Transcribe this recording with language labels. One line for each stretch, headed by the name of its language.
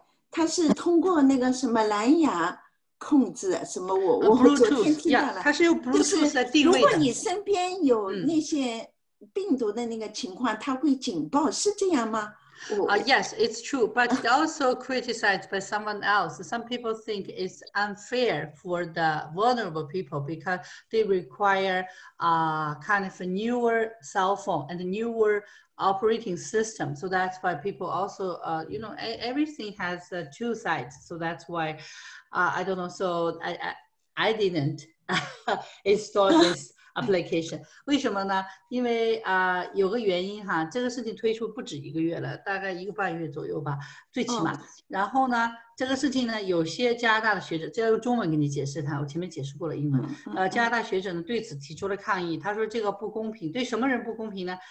Chinese: 它是通过那个什么蓝牙控制什么我昨天听到了，它是用 Bluetooth 定位的。如果你身边有那些病毒的那个情况，它会警报，是这样吗？
English: Yes, it's true, but it's also criticized by someone else. Some people think it's unfair for the vulnerable people because they require a kind of a newer cell phone and a newer operating system. So that's why people also, everything has two sides. So that's why, I don't know, so I didn't install this.
Chinese: application 为什么呢？因为有个原因哈，这个事情推出不止一个月了，大概一个半月左右吧，最起码。然后呢，这个事情呢，有些加拿大的学者，这要用中文给你解释它，我前面解释过了英文。加拿大学者呢对此提出了抗议，他说这个不公平，对什么人不公平呢？